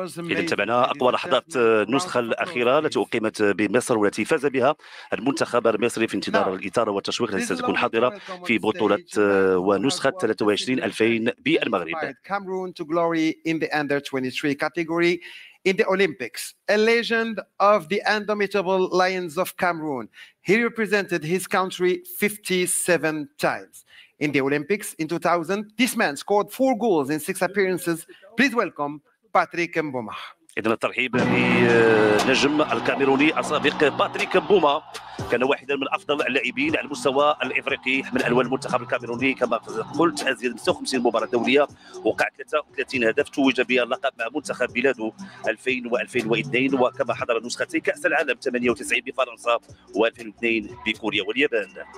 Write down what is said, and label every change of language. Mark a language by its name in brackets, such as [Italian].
[Arabic] إذا تابعنا أقوى لحظات النسخة الأخيرة التي أقيمت بمصر والتي فاز بها المنتخب المصري في انتظار الإثارة والتشويق التي ستكون حاضرة في بطولة ونسخة 23/2000 بالمغرب. [English] Cameroon to glory in the under 23 category in the Olympics. A legend of the indomitable Lions of Cameroon. He represented his country 57 times. In the Olympics in 2000, this man scored 4 goals in 6 appearances. Please welcome Patrick Mboma. [Arabic] إذن الترحيب بنجم الكاميروني السابق باتريك مبوما، كان واحدا من افضل اللاعبين على المستوى الافريقي، حمل الوان المنتخب الكاميروني كما قلت ازيد 56 مباراه دوليه، وقع 33 هدف، توج باللقب مع منتخب بلاده 2000 و2002، وكما حضر نسختي كاس العالم 98 بفرنسا و2002 بكوريا واليابان.